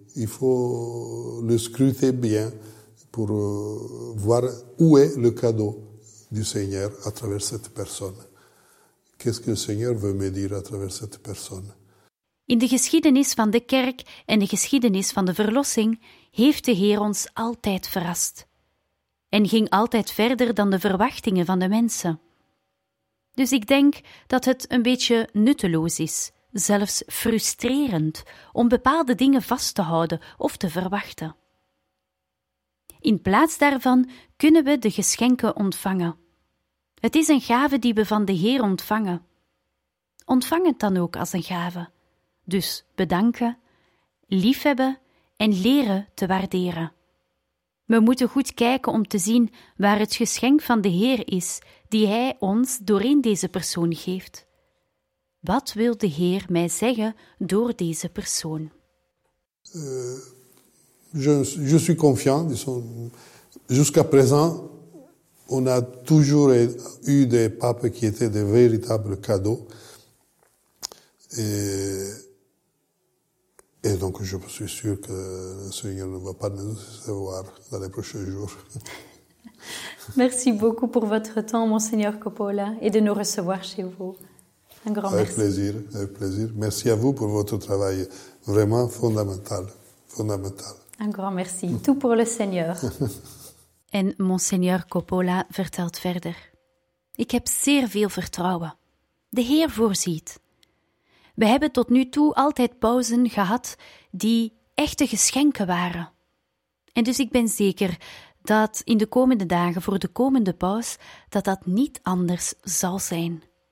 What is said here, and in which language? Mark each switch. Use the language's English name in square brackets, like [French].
[French] Il faut le scruter bien pour voir où est le cadeau du Seigneur à travers cette personne. Qu'est-ce que le Seigneur veut me dire à travers cette personne? [Dutch] In de geschiedenis van de kerk en de geschiedenis van de verlossing heeft de Heer ons altijd verrast en ging altijd verder dan de verwachtingen van de mensen. Dus ik denk dat het een beetje nutteloos is, zelfs frustrerend, om bepaalde dingen vast te houden of te verwachten. In plaats daarvan kunnen we de geschenken ontvangen. Het is een gave die we van de Heer ontvangen. Ontvang het dan ook als een gave. Dus bedanken, liefhebben en leren te waarderen. We moeten goed kijken om te zien waar het geschenk van de Heer is die Hij ons doorheen deze persoon geeft. Wat wil de Heer mij zeggen door deze persoon? [French] Je suis confiant. Jusqu'à présent, on a toujours eu des papes qui étaient des véritables cadeaux. Et donc, je suis sûr que le Seigneur ne va pas nous recevoir dans les prochains jours. Merci beaucoup pour votre temps, Monseigneur Coppola, et de nous recevoir chez vous. Un grand merci. Avec plaisir. Merci à vous pour votre travail vraiment fondamental. Un grand merci. Tout pour le Seigneur. [Dutch] En Monseigneur Coppola vertelt verder: ik heb zeer veel vertrouwen. De Heer voorziet. We hebben tot nu toe altijd pausen gehad die echte geschenken waren. En dus ik ben zeker dat in de komende dagen voor de komende paus dat niet anders zal zijn.